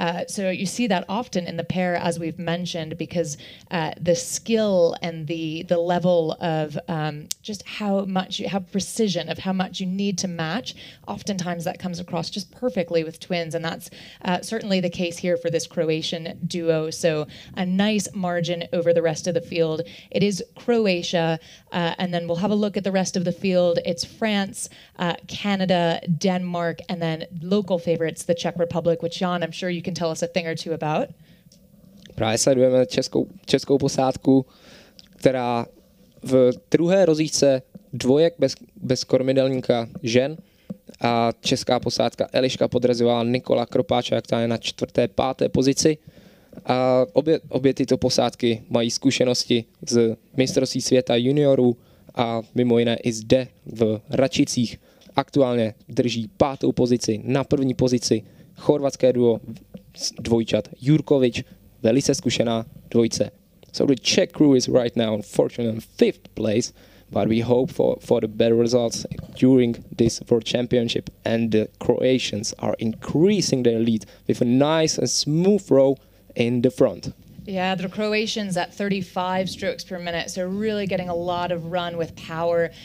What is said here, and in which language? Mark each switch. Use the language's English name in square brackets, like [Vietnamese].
[English] So you see that often in the pair, as we've mentioned, because the skill and the level of just how much you have precision of how much you need to match, oftentimes that comes across just perfectly with twins, and that's certainly the case here for this Croatian duo. So a nice margin over over the rest of the field. It is Croatia, and then we'll have a look at the rest of the field. It's France, Canada, Denmark, and then local favorites, the Czech Republic, which, Jan, I'm sure you can tell us a thing or two about. [Czech] Právě sledujeme českou posádku, která v druhé rozíce dvojek bez kormidelníka žen a česká posádka Eliška Podrazová, Nikola Kropáča, jak ta je na čtvrté, páté pozici. A obě tyto posádky mají zkušenosti z mistrovství světa juniorů a mimo jiné i zde v Račicích. Aktuálně drží pátou pozici, na první pozici chorvatské duo dvojčat Jurković, velice zkušená dvojce. [English] So the Czech crew is right now unfortunately in fifth place, but we hope for the better results during this World Championship, and the Croatians are increasing their lead with a nice and smooth row in the front. Yeah, the Croatians at 35 strokes per minute, so really getting a lot of run with power.